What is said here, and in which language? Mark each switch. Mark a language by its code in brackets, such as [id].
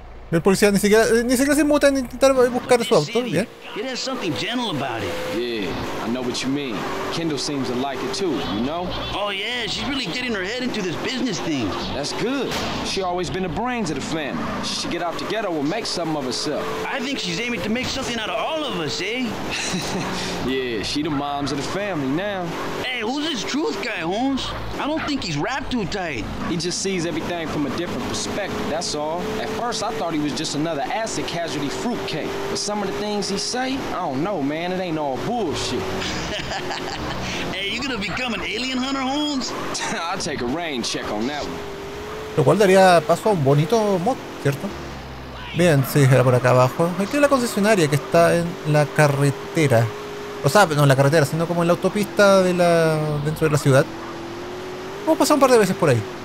[es] El policía ni siquiera se muta en intentar buscar su auto, ¿bien? [en] It has something gentle about it. Yeah, I know what you mean. Kendall seems to like it too, you know? Oh yeah, she's really getting her head into this business thing. That's good. She always been the brains of the family. She should get out together and make something of herself. I think she's aiming to make something out of all of us, eh? Yeah, she the moms of the family now. Hey, who's this truth guy, Holmes? I don't think he's wrapped too tight. He just sees everything from a different perspective, that's all. At first, I thought he was just another acid casualty fruitcake. But some of the things he say, I don't know, man. It ain't all bullshit. Hey, you gonna become an alien hunter, Holmes? I'll take a rain check on that one. [es] Lo cual daría paso a un bonito mod, ¿cierto? Bien, sí, era por acá abajo. Aquí es la concesionaria que está en la carretera. O sea, no en la carretera, sino como en la autopista de la dentro de la ciudad. Vamos a pasar un par de veces por ahí.